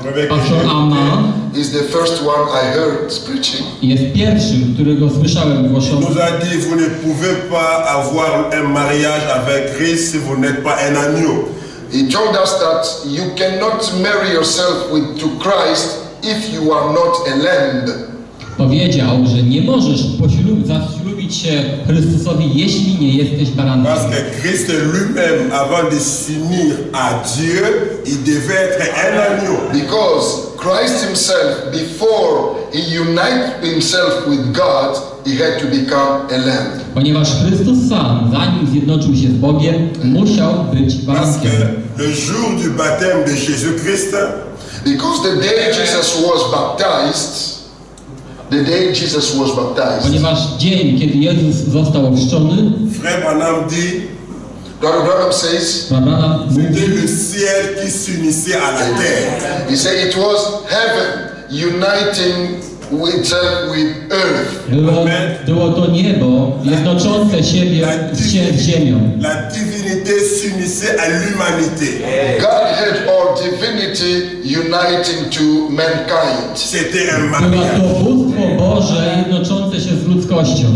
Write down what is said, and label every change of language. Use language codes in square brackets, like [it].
[en] Pastor Armand is the first one I heard preaching. [pl] Jest pierwszym, którego słyszałem głoszony. [fr] Nous a dit, vous ne pouvez pas avoir un mariage avec Christ si vous n'êtes pas un agneau. [en] He told us that you cannot marry yourself with to Christ if you are not a lamb. [pl] Powiedział, że nie możesz zaślubić się Chrystusowi, jeśli nie jesteś barankiem. [fr] Parce que Christ lui-même, avant de s'unir à Dieu, il devait être un agneau. [en] Because Christ himself, before he united himself with God, he had to become a lamb. [pl] Ponieważ Chrystus sam, zanim zjednoczył się z Bogiem, musiał być barankiem. [fr] Parce que le jour du baptême de Jésus-Christ, [en] because the day Jesus was baptized, the day Jesus was baptized. [pl] Ponieważ dzień, kiedy Jezus został ochrzczony, [fr] Frère Branham dit, [en] Brother Branham says, [fr] c'était le ciel qui s'unissait à la terre. [en] He said it was heaven uniting with earth. [pl] Było to niebo jednoczące siebie z ziemią. [fr] La divinité s'unissait à l'humanité. [en] God had all divinity uniting to mankind. [fr] C'était un mariage. [pl] Boże jednoczące się z ludzkością.